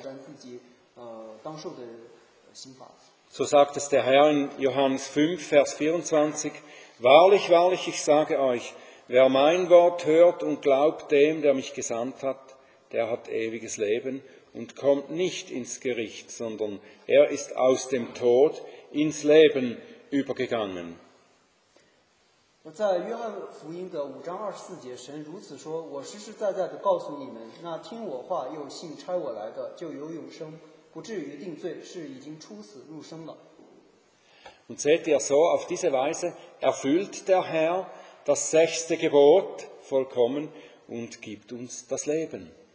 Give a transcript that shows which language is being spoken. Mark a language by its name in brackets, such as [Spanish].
[Chinese] 当我相信你这一点，并信靠耶稣基督的时候，我所当受的刑罚就已经被施行了，我不需要再承担自己当受的刑罚。 [German] So sagt es der Herr in Johannes 5, Vers 24, Wahrlich, wahrlich, ich sage euch, wer mein Wort hört und glaubt dem, der mich gesandt hat, der hat ewiges Leben und kommt nicht ins Gericht, sondern er ist aus dem Tod ins Leben übergegangen. [Chinese] 在约翰福音的5章24节，神如此说：“我实实在在的告诉你们，那听我话又信差我来的，就有永生。” 不至于定罪，是已经出死入生了。 [German] Und seht ihr so, auf diese Weise erfüllt der Herr das sechste Gebot vollkommen und gibt uns das Leben.